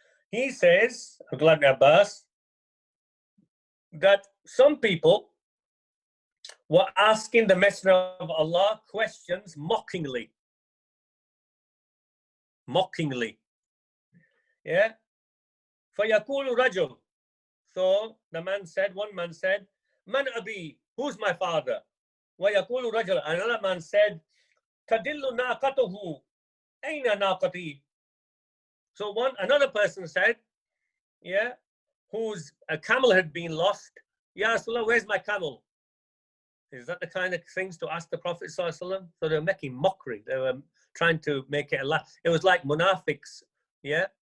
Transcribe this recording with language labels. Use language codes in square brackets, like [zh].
[en] He says, Abdullah ibn Abbas, that some people were asking the Messenger of Allah questions mockingly. Mockingly. Yeah? [ar] فَيَقُولُ رَجُلْ. [en] So the man said, one man said, [ar] مَنْ أَبِي? [en] Who's my father? [ar] وَيَقُولُ رَجُلْ. [en] Another man said, [ar] تَدِلُّ نَاقَتُهُ أَيْنَ نَاقَتِي? [en] So one, another person said, yeah, whose a camel had been lost, [ar] يَا رَسُولَ, [en] where's my camel? Is that the kind of things to ask the Prophet Sallallahu Alaihi Wasallam? So they were making mockery. They were trying to make it a laugh. It was like munafiqs, yeah?